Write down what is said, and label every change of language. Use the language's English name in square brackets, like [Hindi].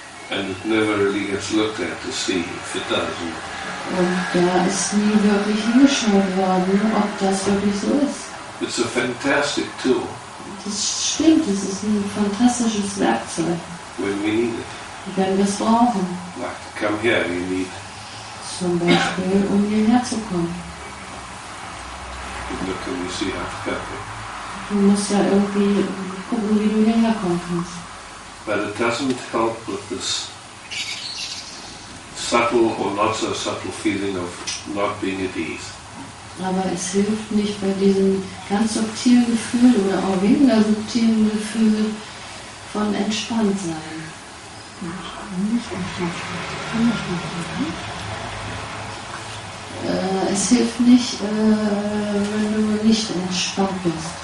[English] And it never really gets looked at to see if it does. [German] Und da ist nie wirklich hingeschaut worden, ob das wirklich so ist. [English] It's a fantastic tool. [German] Das stimmt, es ist ein fantastisches Werkzeug. [English] When we need it. [German] Wenn wir es brauchen. [English] Like to come here, you need. [German] Zum Beispiel, um hierher zu kommen. [English] You look and you see how to come. [German] Du musst ja irgendwie gucken, wie du hierher kommen kannst. [English] But it doesn't help with this subtle or not so subtle feeling of not being at ease. [German] Aber es hilft nicht bei diesem ganz subtilen Gefühl oder auch weniger subtilen Gefühl von entspannt sein. Es hilft nicht, wenn du nicht entspannt bist.